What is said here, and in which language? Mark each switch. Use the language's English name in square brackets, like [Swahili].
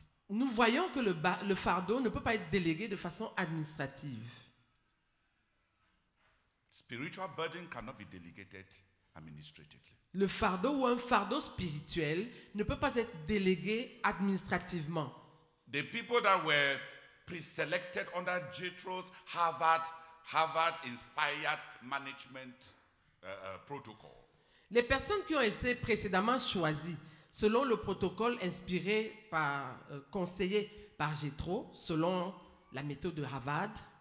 [French] Nous voyons que le fardeau ne peut pas être délégué de façon administrative. [English] Spiritual burden cannot be delegated administratively. [French] Le fardeau ou un fardeau spirituel ne peut pas être délégué administrativement. [English] The people that were preselected under Jethro's Harvard-inspired management protocol. [French] Les personnes qui ont été précédemment choisies selon le protocole inspiré par conseillé par Jethro selon la méthode de Harvard.